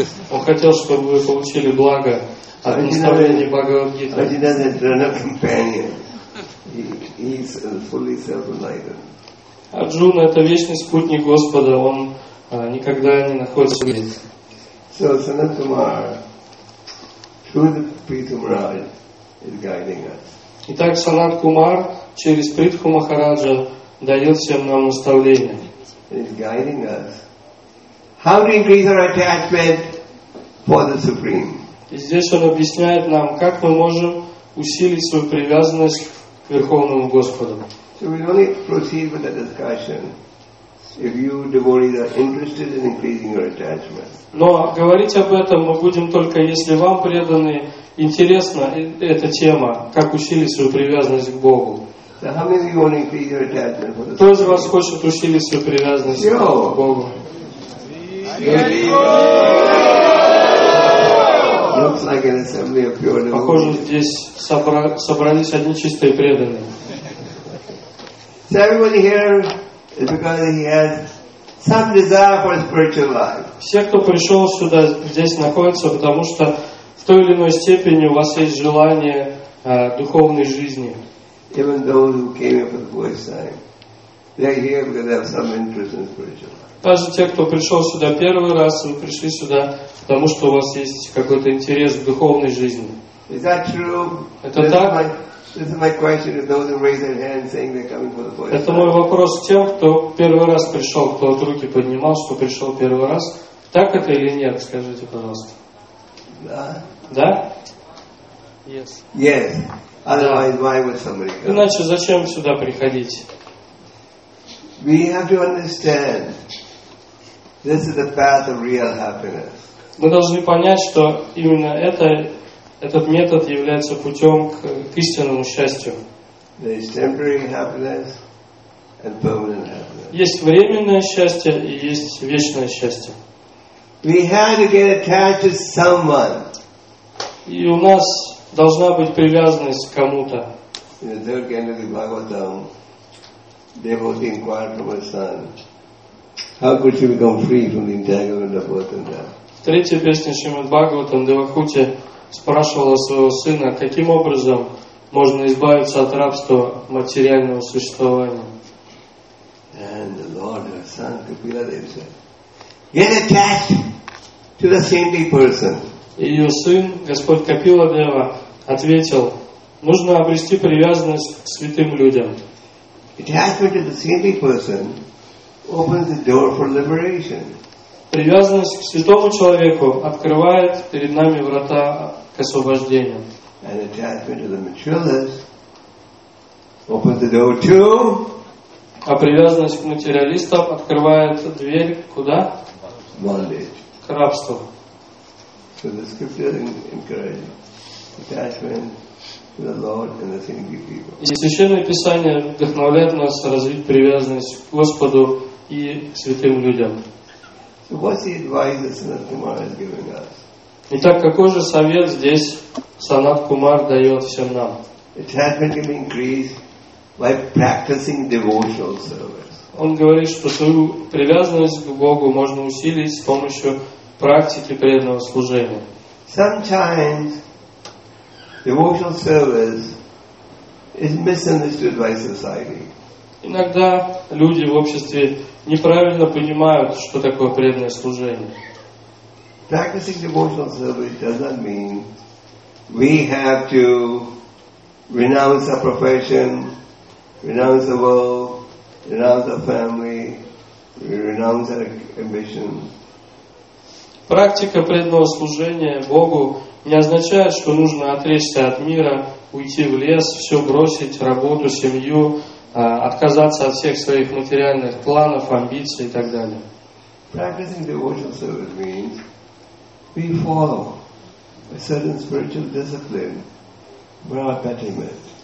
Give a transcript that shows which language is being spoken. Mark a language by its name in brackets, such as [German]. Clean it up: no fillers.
[Russian] Он хотел, чтобы вы получили благо от наставления [English] Бхагавад-гиты. He is fully self-enlightened. [Russian] Арджуна — это вечный спутник Господа. Он никогда не находится в мире. [English] So Sanat Kumar, through the Prithu Maharaj, is guiding us. [Russian] Итак, Санат Кумар через Притху Махараджа дает всем нам наставление. [English] Is guiding us. How to increase our attachment for the Supreme? [Russian] И здесь он объясняет нам, как мы можем усилить свою привязанность Верховному Господу. [English] So we only proceed with the discussion if you devotees are interested in increasing your attachment. [Russian] Но говорить об этом мы будем только если вам, преданные, интересна эта тема, как усилить свою привязанность к Богу. [English] So how many of you want to increase your attachment for the [Russian] Кто из вас хочет усилить свою привязанность к Богу? [English] Looks like an assembly of pure devotees. [Russian] Похоже, здесь собрались одни чистые преданные. [English] So everybody here is because he has some desire for his spiritual life. [Russian] Все, кто пришел сюда, здесь находится, потому что в той или иной степени у вас есть желание духовной жизни. [English] Even those who came here for the voice sign, they're here because they have some interest in spiritual life. [Russian] Даже те, кто пришел сюда первый раз, вы пришли сюда, потому что у вас есть какой-то интерес в духовной жизни. [English] Is that true? [Russian] Это так? [English] This is my question to those who raise their hands saying they're coming for the voice. [Russian] Это мой вопрос тем, кто первый раз пришел, кто от руки поднимал, что пришел первый раз. Так это или нет? Скажите, пожалуйста. Да? [English] Yes. Yes. Otherwise, why would somebody come? [Russian] Иначе зачем сюда приходить? [English] We have to understand this is the path of real happiness. [Russian] Мы должны понять, что именно этот метод является путем к истинному счастью. [English] There is temporary happiness and permanent happiness. [Russian] Есть временное счастье и есть вечное счастье. [English] We have to get attached to someone. [Russian] И у нас должна быть привязанность к кому-то. [English] In the third canto of the Bhagavatam, devotee inquired from his son, how could she become free from the entanglement of birth and death? [Russian] В третьей песне Шримад-Бхагаватам Девахути спрашивала своего сына, каким образом можно избавиться от рабства материального существования. [English] And the Lord, her son, Kapiladev said, get attached to the saintly person. [Russian] Ее сын, Господь Капиладева, ответил, нужно обрести привязанность к святым людям. [English] Attachment to the saintly person opens the door for liberation. [Russian] Привязанность к святому человеку открывает перед нами врата к освобождению. [English] And attachment to the materialist opens the door to. [Russian] А привязанность к материалистам открывает дверь куда? [English] Bondage. [Russian] К рабству. [English] So the scripture encourages attachment to the Lord and the saintly people. [Russian] И Священное Писание вдохновляет нас развить привязанность к Господу и к святым людям. [English] So what's the advice that Sanat Kumar is giving us? [Russian] Итак, какой же совет здесь Санат Кумар дает всем нам? [English] Attachment can be increased by practicing devotional service. [Russian] Он говорит, что свою привязанность к Богу можно усилить с помощью практики преданного служения. [English] Sometimes devotional service is misunderstood by society. [Russian] Иногда люди в обществе неправильно понимают, что такое преданное служение. [English] Practicing devotional service does not mean we have to renounce our profession, renounce the world, renounce our family, renounce our ambition. [Russian] Практика преданного служения Богу не означает, что нужно отречься от мира, уйти в лес, все бросить, работу, семью, отказаться от всех своих материальных планов, амбиций и так далее. [English] Practicing devotional service means we follow a certain spiritual discipline for our betterment.